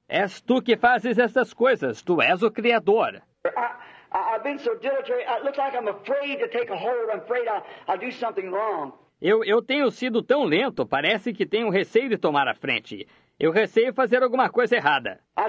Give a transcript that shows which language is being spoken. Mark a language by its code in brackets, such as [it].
[pt] És tu que fazes essas coisas. Tu és o criador. [en] I've been so dilatory. It looks like I'm afraid to take a hold. I'm afraid I'll do something wrong. [pt] Eu tenho sido tão lento. Parece que tenho receio de tomar a frente. Eu receio fazer alguma coisa errada.